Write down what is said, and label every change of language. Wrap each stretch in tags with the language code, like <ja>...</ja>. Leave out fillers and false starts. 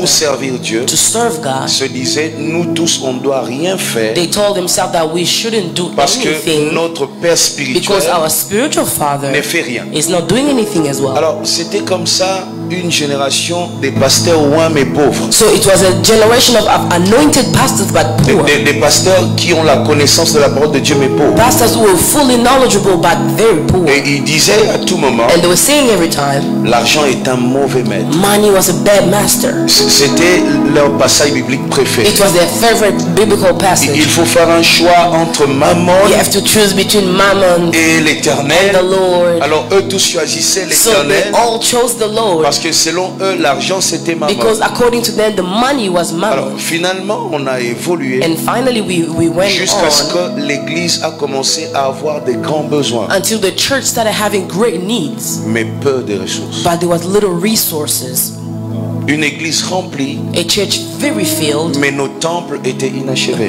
<fr>pour servir Dieu</fr> <en>to serve God,</en> <fr>se disaient nous tous on doit rien faire</fr> <en>they told themselves that we shouldn't do</en> <fr>parce</fr> <en>anything</en> <fr>que notre père spirituel</fr> <en>because our spiritual father</en> <fr>ne fait rien</fr> <en>is not doing anything as well.</en> <fr>Alors c'était comme ça une génération de pasteurs oints mais pauvres.</fr> <en>So it was a generation of anointed pastors but poor.</en> <fr>Des pasteurs qui ont la connaissance de la parole de Dieu mais pauvres.</fr> <en>Pastors who were fully knowledgeable but very poor.</en> <fr>Et ils disaient à tout moment.</fr> <en>And they were saying every time.</en> <fr>L'argent est un mauvais maître.</fr> <en>Money was a bad master.</en> <fr>C'était leur passage biblique préféré.</fr> <en>It was their favorite biblical passage.</en> <fr>Il faut faire un choix entre Mammon.</fr> <en>You have to choose between Mammon</en> <fr>et l'Éternel.</fr> <en>And the Lord.</en> <fr>Alors eux tous choisissaient l'Éternel.</fr> <en>So they all chose the Lord.</en> <fr>Parce que selon eux, l'argent c'était maman.</fr> <en>Because according to them, the money was maman.</en> <fr>Alors finalement, on a évolué.</fr> <en>And finally, we went</en> <fr>jusqu'à on ce que l'église a commencé à avoir des grands besoins.</fr> <en>Until the church started having great needs.</en> <fr>Mais peu de ressources.</fr> <en>But there was little resources.</en> <fr>Une église remplie.</fr> <en>A church very filled.</en> <fr>Mais nos temples étaient inachevés.</fr>